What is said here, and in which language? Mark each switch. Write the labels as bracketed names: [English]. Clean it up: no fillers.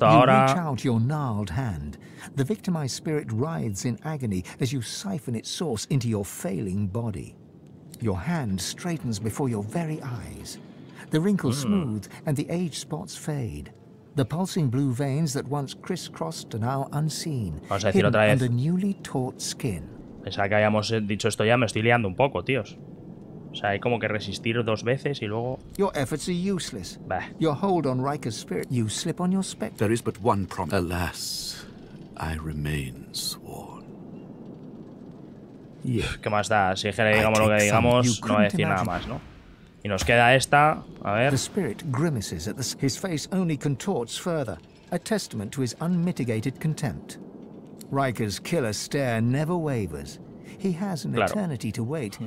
[English] You reach out your gnarled hand. The victimized spirit writhes in agony as you siphon its source into your failing body. Your hand straightens before your very eyes. The wrinkles smooth and the age spots fade. The pulsing blue veins that once crisscrossed are now unseen. [Spanish] Vamos a decir otra vez. [English] The newly taut skin. [Spanish] Pensaba que habíamos dicho esto ya, me estoy liando un poco, tíos. O sea, hay como que resistir dos veces y luego. [English] Your efforts are useless. Bah. Your hold on Riker's spirit. You slip on your spectacles. There is but one promise. Alas, I remain sworn. Yeah. [Spanish] ¿Qué más da? Si es que le digamos lo que digamos, no va a decir nada más, ¿no? Y nos queda esta, a ver. [English] The spirit grimaces at his face only contorts further, a testament to his unmitigated contempt. Riker's killer stare never wavers. He has an eternity to wait.